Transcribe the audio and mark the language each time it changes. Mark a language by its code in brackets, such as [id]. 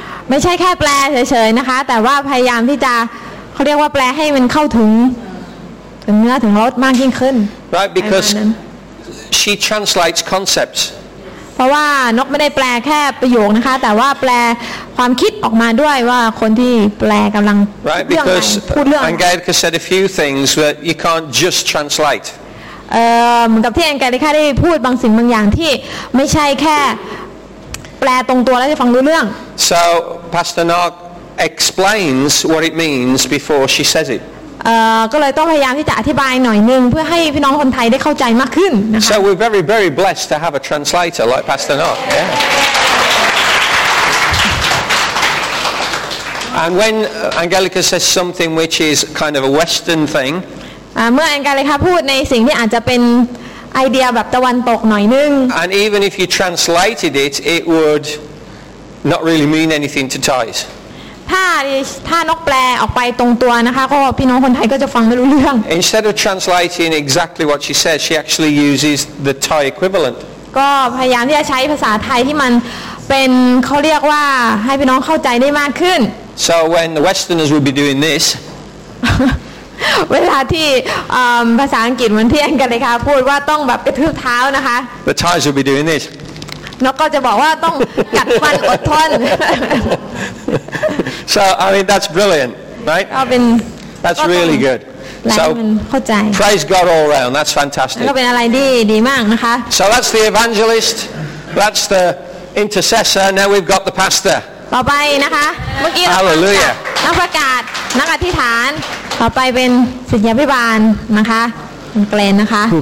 [th] ไม่ใช่แค่แปลเฉยๆนะคะแต่ว่าพยายามที่จะเขาเรียกว่าแปลให้มันเข้าถึงเนื้อถึงรสมากยิ่งขึ้น [en] Right? Because she translates concepts. [th] เพราะว่านกไม่ได้แปลแค่ประโยคนะคะแต่ว่าแปลความคิดออกมาด้วยว่าคนที่แปลกำลังพู ดเรื่องอะไรพูดเรื่องอังเกลิกาได้พูดบางสิ่งบางอย่างที่ไม่สามารถ [en] ทรานสเลท [th] เหมือนกับที่อังเกลิกาได้พูดบางสิ่งบางอย่างที่ไม่ใช่แค่แปลตรงตัวแล้วให้ฟังรู้เรื่อง [en] so Pastor Nog explains what it means before she says it [th] ก็เลยต้องพยายามที่จะอธิบายหน่อยนึงเพื่อให้พี่น้องคนไทยได้เข้าใจมากขึ้นนะคะ [en] So we're very very blessed to have a translator like Pastor Nock yeah. And when Angelica says something which is kind of a western thing [th] เมื่อ Angelica พูดในสิ่งที่อาจจะเป็นไอเดียแบบตะวันตกหน่อยนึง [en] And even if you translated it it would not really mean anything to Thais [th] ถ้านกแปลออกไปตรงตัวนะคะก็พี่น้องคนไทยก็จะฟังไม่รู้เรื่อง [en] Instead of translating exactly what she says she actually uses the Thai equivalent [th] ก็พยายามที่จะใช้ภาษาไทยที่มันเป็นเขาเรียกว่าให้พี่น้องเข้าใจได้มากขึ้น [en] So when the Westerners would be doing this [th] เวลาที่ภาษาอังกฤษเหมือนที่อังกฤษค่ะพูดว่าต้องแบบกระทืบเท้านะคะ [en] The Thais would be doing this [th] นกก็จะบอกว่าต้องกัดฟันอดทน [en] So I mean that's brilliant right That's really good [th] So เข้าใจ [en] Praise God all round that's fantastic [th] ก็เป็นอะไรดีมากนะคะ [en] So that's the evangelist that's the intercessor now we've got the pastor [th] ต่อไปนะคะเมื่อกี้ [en] Hallelujah [th] นักประกาศนักอธิษฐานต่อไปเป็นศิษยาภิบาลนะคะเกรนนะคะ